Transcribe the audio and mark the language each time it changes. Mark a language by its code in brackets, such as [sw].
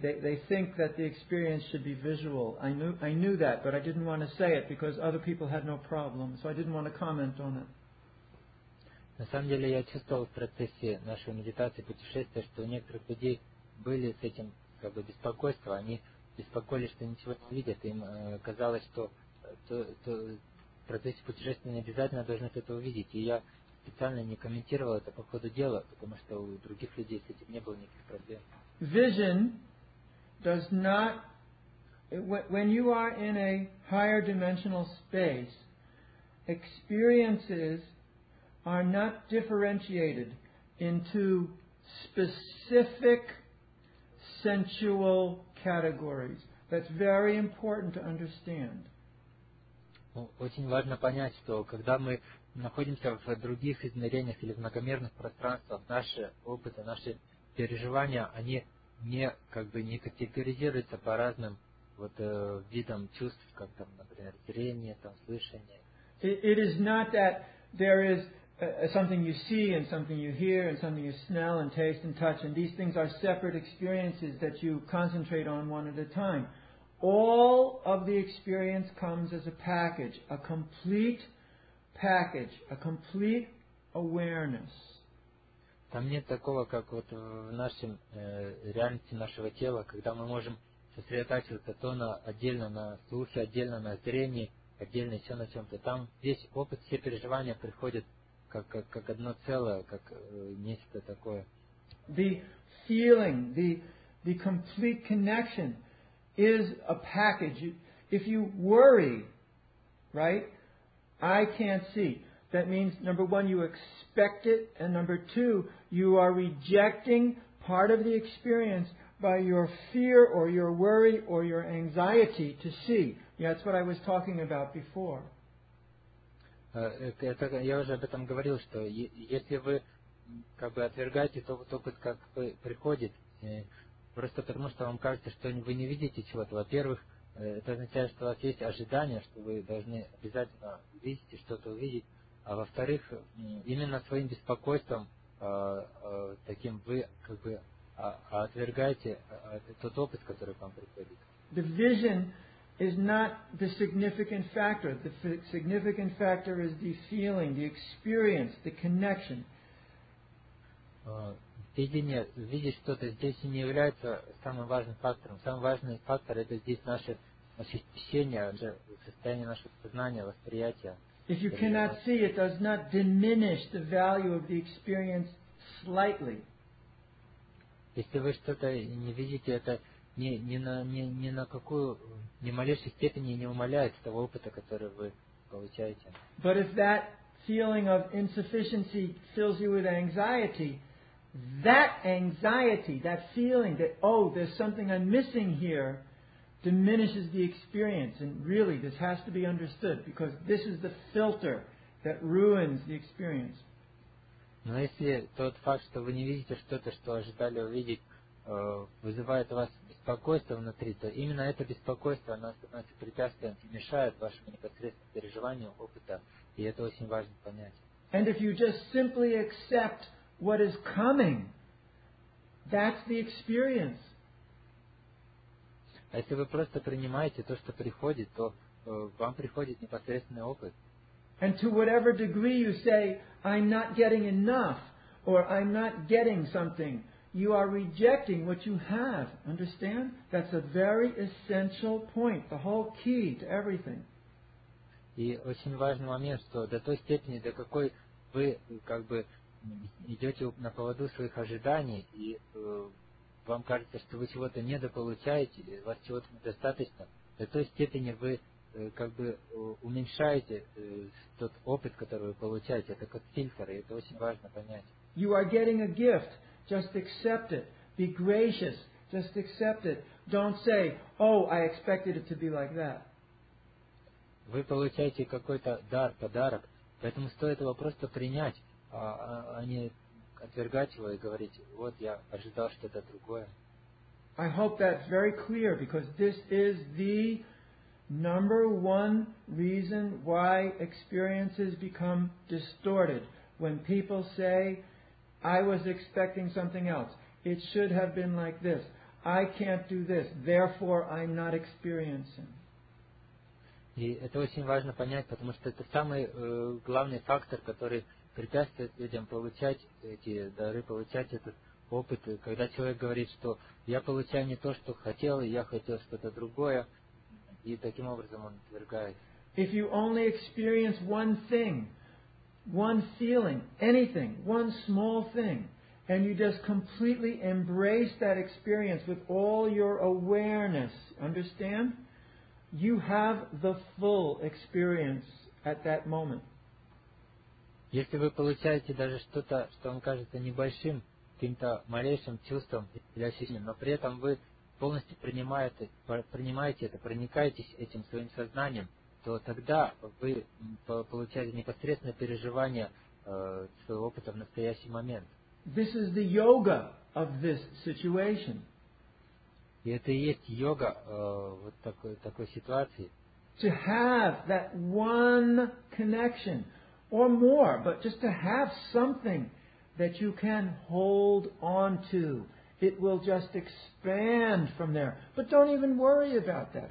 [en] They think that the experience should be visual. I knew that, but I didn't want to say it because other people had no problem, so I didn't want to comment on it. [ru] На самом деле я чувствовал в процессе нашей медитации путешествия, что у некоторых людей были с этим как бы беспокойство. Они беспокоились, что ничего не видят. Им казалось, что в процессе путешествия не обязательно должны это увидеть. И я специально не комментировал это по ходу дела, потому что у других людей с этим не было никаких проблем. [en] Vision does not... When you are in a higher dimensional space, experiences are not differentiated into specific sensual categories. That's very important to understand. [ru] Очень важно понять, что когда мы находимся в других измерениях или в многомерных пространствах, наши опыты, наши переживания, они не как бы не категоризируются по разным вот видам чувств, как там, например, зрение, там слышание. [en] It is not that there is something you see and something you hear and something you smell and taste and touch, and these things are separate experiences that you concentrate on one at a time. All of the experience comes as a package, a complete package, a complete awareness. [ru] Там нет такого, как вот в нашем реальности нашего тела, когда мы можем сосредотачиваться то на отдельно на слухе, отдельно на зрении, отдельно еще на чем-то. Там весь опыт, все переживания приходят как одно целое, как нечто такое. [en] The feeling, the complete connection is a package. If you worry, right, I can't see, that means, number one, you expect it, and number two, you are rejecting part of the experience by your fear or your worry or your anxiety to see. Yeah, that's what I was talking about before. [ru] Я уже об этом говорил, что если вы как бы отвергаете тот опыт, как приходит, просто потому, что вам кажется, что вы не видите чего-то. Во-первых, это означает, что у вас есть ожидание, что вы должны обязательно видеть и что-то увидеть. А во-вторых, именно своим беспокойством таким вы как бы отвергаете тот опыт, который к вам приходит. [en] The vision is not the significant factor. The significant factor is the feeling, the experience, the connection. [ru] Видение, видеть что-то здесь не является самым важным фактором. Самый важный фактор – это здесь наше ощущение, состояние нашего сознания, восприятия. [en] If you cannot see, it does not diminish the value of the experience slightly. [ru] Если вы что-то не видите, это ни на какую, ни малейшей степени не умаляет того опыта, который вы получаете. [en] But if that feeling of insufficiency fills you with anxiety, that anxiety, that feeling that, oh, there's something I'm missing here, diminishes the experience. And really, this has to be understood, because this is the filter that ruins the experience. [ru] Но если тот факт, что вы не видите что-то, что ожидали увидеть, вызывает у вас беспокойство внутри, то именно это беспокойство, оно становится препятствием и мешает вашему непосредственному переживанию опыта. И это очень важно понять. [en] And if you just simply accept what is coming, that's the experience. [ru] А если вы просто принимаете то, что приходит, то вам приходит непосредственный опыт. [en] And to whatever degree you say, I'm not getting enough, or I'm not getting something, you are rejecting what you have. Understand? That's a very essential point, the whole key to everything. [ru] И очень важный момент, что до той степени, до какой вы как бы идете на поводу своих ожиданий, и вам кажется, что вы чего-то недополучаете, вас чего-то недостаточно, до той степени вы как бы уменьшаете тот опыт, который вы получаете, это как фильтр, и это очень важно понять. [en] You are getting a gift. Just accept it. Be gracious. Just accept it. Don't say, oh, I expected it to be like that. [ru] Вы получаете какой-то дар, подарок, поэтому стоит его просто принять, а не отвергать его и говорить, вот я ожидал что-то другое. [en] I hope that's very clear, because this is the number one reason why experiences become distorted. When people say, I was expecting something else, it should have been like this, I can't do this, therefore I'm not experiencing. [ru] И это очень важно понять, потому что это самый главный фактор, который препятствует людям получать эти дары, получать этот опыт. Когда человек говорит, что я получаю не то, что хотел, и я хотел что-то другое, и таким образом он отвергает. [en] If you only experience one thing, one feeling, anything, one small thing, and you just completely embrace that experience with all your awareness, understand? You have the full experience at that moment. [ru] Если вы получаете даже что-то, что вам кажется небольшим, каким-то малейшим чувством или ощущением, но при этом вы полностью принимаете это, проникаетесь этим своим сознанием, то тогда вы получаете непосредственное переживание своего опыта в настоящий момент. [en] This is the yoga of this situation. [ru] И это и есть йога вот такой ситуации. [en] To have that one connection, or more, but just to have something that you can hold on to, it will just expand from there. But don't even worry about that.